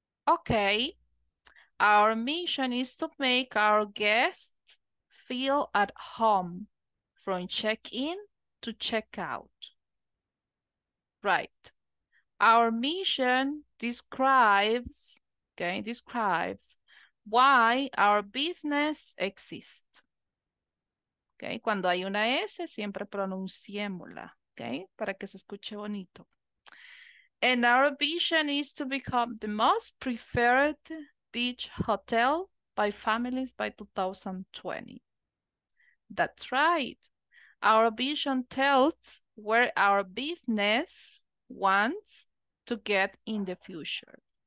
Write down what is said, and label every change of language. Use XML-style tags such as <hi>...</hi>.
<en>Okay, our mission is to make our guests feel at home from check-in to check-out. Right, our mission describes, okay, describes why our business exists.</en> <es>Okay, cuando hay una S, siempre pronunciémosla, okay, para que se escuche bonito.</es> <en>And our vision is to become the most preferred beach hotel by families by 2020. That's right. Our vision tells where our business wants to get in the future.</en>